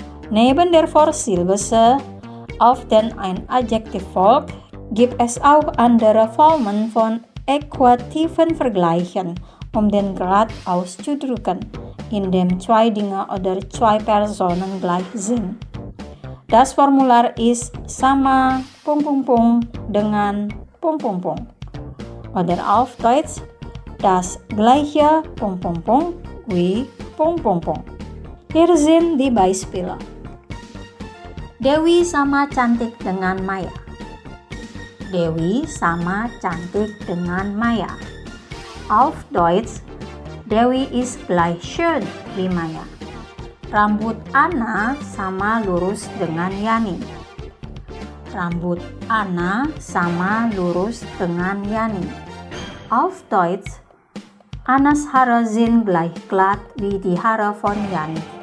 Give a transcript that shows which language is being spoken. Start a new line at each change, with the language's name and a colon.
German: Neben der Vorsilbe, auf den ein Adjektiv folgt, gibt es auch andere Formen von äquativen Vergleichen, um den Grad auszudrücken, in dem zwei Dinge oder zwei Personen gleich sind. Das Formular ist
Indonesian: sama ... dengan ...
German: oder auf Deutsch das gleiche ... wie ... Hier sind die Beispiele.
Indonesian: Dewi sama cantik dengan Maya. Dewi sama cantik dengan Maya.
German: Auf Deutsch, Dewi ist gleich schön wie Maya.
Indonesian: Rambut Anna sama lurus dengan Yani. Rambut Anna sama lurus dengan Yani.
German: Auf Deutsch, Annas Haare sind gleich glatt wie die Haare von Yani.